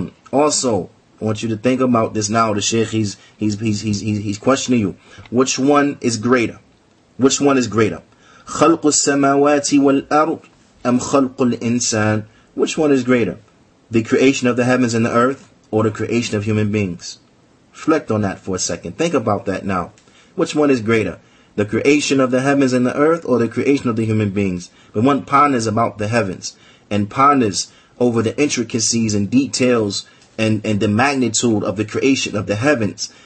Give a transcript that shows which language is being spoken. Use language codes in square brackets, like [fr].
[en] Also, I want you to think about this now. The Shaykh, he's questioning you. Which one is greater? Which one is greater? [ar] خلق السماوات والأرض أم خلق الإنسان. [en] Which one is greater? The creation of the heavens and the earth, or the creation of human beings? Reflect on that for a second. Think about that now. Which one is greater? The creation of the heavens and the earth, or the creation of the human beings? But one ponders about the heavens and ponders over the intricacies and details and the magnitude of the creation of the heavens.